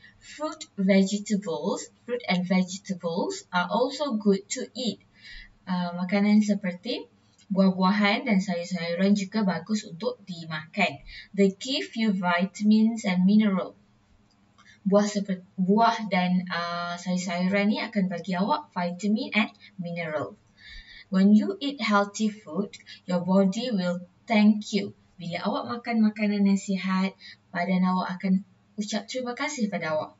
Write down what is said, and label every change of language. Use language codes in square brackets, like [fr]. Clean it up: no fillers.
[en] Fruit, vegetables, fruit and vegetables are also good to eat. [ms] Makanan seperti buah-buahan dan sayur-sayuran juga bagus untuk dimakan. [en] They give you vitamins and mineral. [ms] Buah seperti buah dan sayur-sayuran ni akan bagi awak [en] vitamin and mineral. When you eat healthy food, your body will thank you. [ms] Bila awak makan makanan yang sihat, badan awak akan ucap terima kasih pada awak.